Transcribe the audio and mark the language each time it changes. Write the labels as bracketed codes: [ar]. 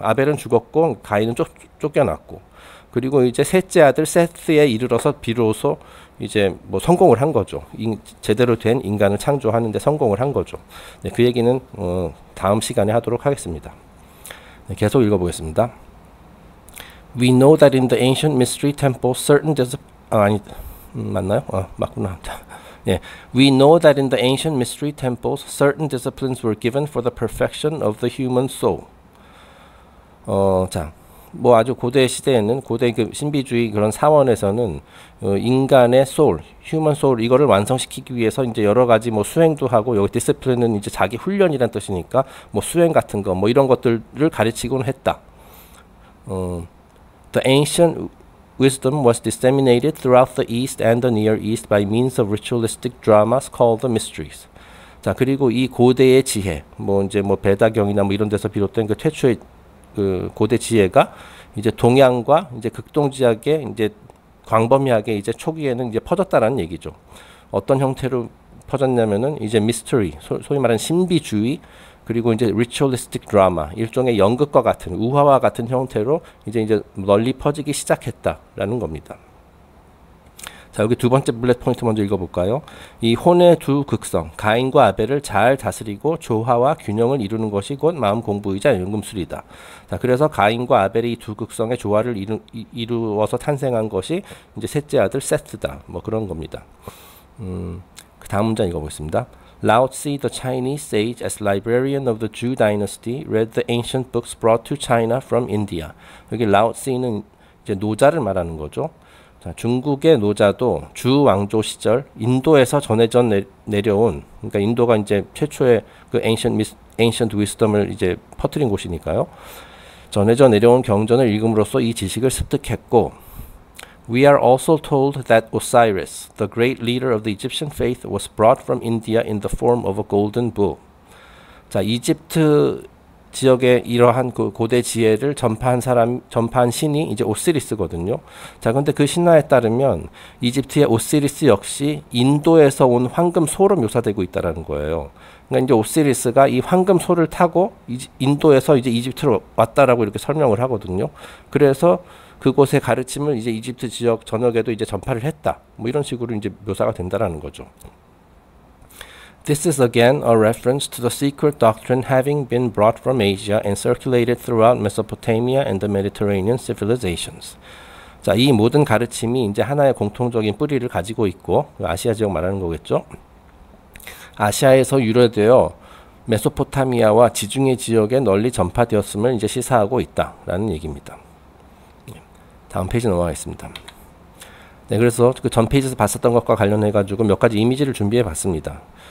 [ko] 아벨은 죽었고 가인은 쫓겨났고, 그리고 이제 셋째 아들 세스에 이르러서 비로소 이제 뭐 성공을 한 거죠. 제대로 된 인간을 창조하는 데 성공을 한 거죠. 네, 그 얘기는 다음 시간에 하도록 하겠습니다. 네, 계속 읽어보겠습니다. [en] We know that in the ancient mystery temple, certain [ko] 아니 맞나요? 맞구나. [en] 예, we know that in the ancient mystery temples, certain disciplines were given for the perfection of the human soul. [ko] 자, 뭐 아주 고대 시대에는 고대 그 신비주의 그런 사원에서는 인간의 soul, human soul 이거를 완성시키기 위해서 이제 여러 가지 뭐 수행도 하고, 여기 discipline은 이제 자기 훈련이란 뜻이니까 뭐 수행 같은 거뭐 이런 것들을 가르치곤 했다. [en] The ancient wisdom was disseminated throughout the East and the Near East by means of ritualistic dramas called the mysteries. [ko] 자, 그리고 이 고대의 지혜, 뭐 이제 뭐 베다경이나 뭐 이런 데서 비롯된 그 최초의 그 고대 지혜가 이제 동양과 이제 극동지역에 이제 광범위하게 이제 초기에는 이제 퍼졌다라는 얘기죠. 어떤 형태로 퍼졌냐면은 이제 미스터리, 소위 말하는 신비주의, 그리고 이제 ritualistic drama, 일종의 연극과 같은, 우화와 같은 형태로 이제 널리 퍼지기 시작했다라는 겁니다. 자, 여기 두 번째 블랙 포인트 먼저 읽어볼까요? 이 혼의 두 극성, 가인과 아벨을 잘 다스리고 조화와 균형을 이루는 것이 곧 마음 공부이자 연금술이다. 자, 그래서 가인과 아벨이 이두 극성의 조화를 이루어서 탄생한 것이 이제 셋째 아들 세트다. 뭐 그런 겁니다. 그 다음 문장 읽어보겠습니다. [en] Lao Tzu, the Chinese sage, as librarian of the Zhou Dynasty, read the ancient books brought to China from India. [ko] 여기 Lao Tzu는 이제 노자를 말하는 거죠. 자, 중국의 노자도 주 왕조 시절 인도에서 전해져 내려온, 그러니까 인도가 이제 최초의 그 ancient wisdom을 이제 퍼뜨린 곳이니까요. 전해져 내려온 경전을 읽음으로써 이 지식을 습득했고, [en] We are also told that Osiris, the great leader of the Egyptian faith, was brought from India in the form of a golden bull. [ko] 자, 이집트 지역에 이러한 그 고대 지혜를 전파한 신이 이제 오시리스거든요. 자, 근데 그 신화에 따르면 이집트의 오시리스 역시 인도에서 온 황금 소로 묘사되고 있다라는 거예요. 그러니까 이제 오시리스가 이 황금 소를 타고 인도에서 이제 이집트로 왔다라고 이렇게 설명을 하거든요. 그래서 그곳의 가르침을 이제 이집트 지역 전역에도 이제 전파를 했다. 뭐 이런 식으로 이제 묘사가 된다라는 거죠. [en] This is again a reference to the secret doctrine having been brought from Asia and circulated throughout Mesopotamia and the Mediterranean civilizations. [ko] 자, 이 모든 가르침이 이제 하나의 공통적인 뿌리를 가지고 있고, 아시아 지역 말하는 거겠죠? 아시아에서 유래되어 메소포타미아와 지중해 지역에 널리 전파되었음을 이제 시사하고 있다라는 얘기입니다. 다음 페이지 넘어가겠습니다. 네, 그래서 그전 페이지에서 봤었던 것과 관련해 가지고 몇 가지 이미지를 준비해 봤습니다.